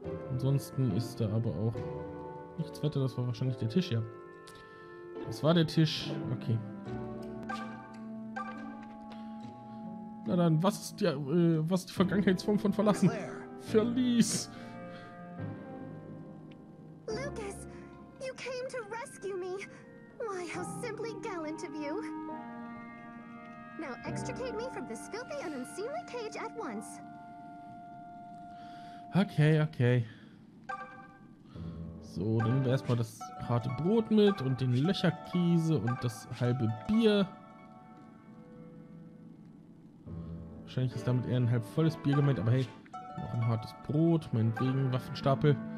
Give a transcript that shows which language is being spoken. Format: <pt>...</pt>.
<de>Ansonsten ist da aber auch nichts weiter. Das war wahrscheinlich der Tisch, ja. Das war der Tisch. Okay. Na dann, was ist die Vergangenheitsform von verlassen? Verlies!</de> <en>Lucas, you came to rescue me. Why, how simply gallant of you. Now extricate me from this filthy and unseemly cage at once. Okay, okay.</en> <de>So, dann nehmen wir erstmal das harte Brot mit und den Löcherkäse und das halbe Bier. Wahrscheinlich ist damit eher ein halb volles Bier gemeint, aber hey, noch ein hartes Brot, meinetwegen, Waffenstapel.</de>